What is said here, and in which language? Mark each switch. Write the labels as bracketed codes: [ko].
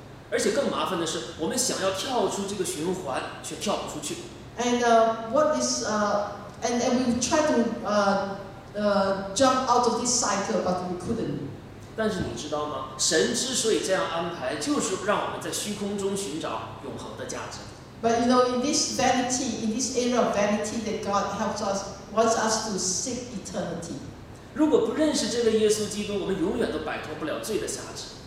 [zh] 而且更麻烦的是，我们想要跳出这个循环，却跳不出去。 [en] And we try to jump out of this cycle, but we couldn't. [zh] 但是你知道吗？神之所以这样安排，就是让我们在虚空中寻找永恒的价值。 [en] But you know, in this vanity, in this era of vanity, that God helps us, wants us to seek eternity. [zh] 如果不认识这位耶稣基督，我们永远都摆脱不了罪的辖制。